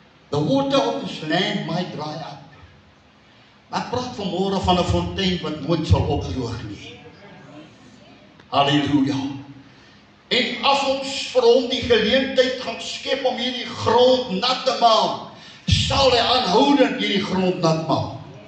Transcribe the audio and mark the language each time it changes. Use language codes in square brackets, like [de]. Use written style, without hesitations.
[en] The water on this land might dry up. [af] Maar ek praat vanmorgen van een fontein wat nooit sal opdroog nie. Halleluja. En as ons vir hom die geleentheid gaan skep om hierdie grond nat te maak, sal hy aanhoudend hierdie grond nat maak.